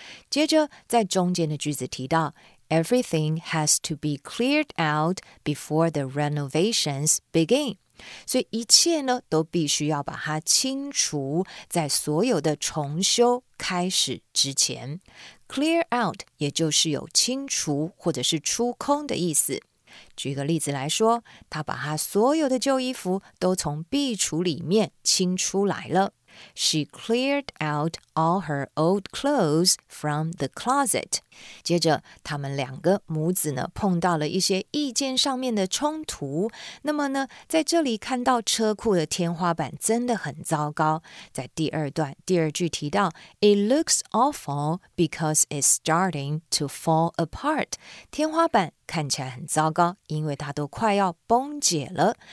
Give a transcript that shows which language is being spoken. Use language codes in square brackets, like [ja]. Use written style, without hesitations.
[zh] 接着在中间的句子提到 [en] Everything has to be cleared out before the renovations begin， [zh] 所以一切呢都必须要把它清除在所有的重修开始之前。 Clear out 也就是有清除或者是出空的意思。举个例子来说，他把他所有的旧衣服都从壁橱里面清出来了。 [en] She cleared out all her old clothes from the closet. [zh] 接着他们两个母子呢碰到了一些意见上面的冲突。那么呢在这里看到车库的天花板真的很糟糕。在第二段第二句提到 [en] It looks awful because it's starting to fall apart. [zh] 天花板看起来很糟糕因为它都快要崩解了。